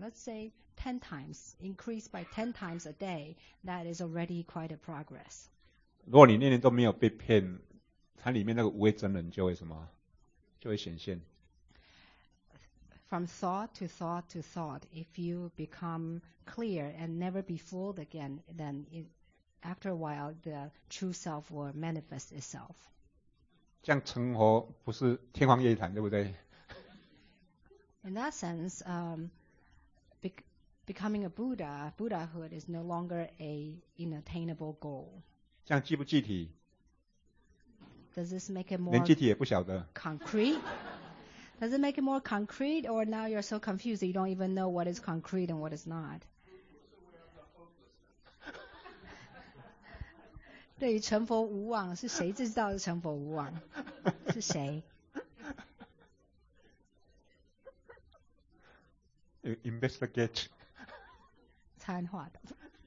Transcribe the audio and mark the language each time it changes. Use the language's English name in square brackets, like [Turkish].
[English] Let's say 10 times, increase by 10 times a day. That is already quite a progress. [Chinese] 如果你念念都没有被骗，它里面那个无畏真人就会什么？就会显现。 [English] From thought to thought to thought, if you become clear and never be fooled again, then after a while, the true self will manifest itself. [Chinese] 这样成佛不是天方夜谭，对不对？ [English] In that sense, becoming a Buddha, Buddhahood is no longer an inattainable goal. [Chinese] 这样具不具体？ [English] Does this make it more [Chinese] 连具体也不晓得 [English] concrete? Does it make it more concrete, or now you're so confused that you don't even know what is concrete and what is not? [Chinese] 对于成佛无望，是谁知道是成佛无望？是谁？ [English] Investigate. [Chinese] 参话筒。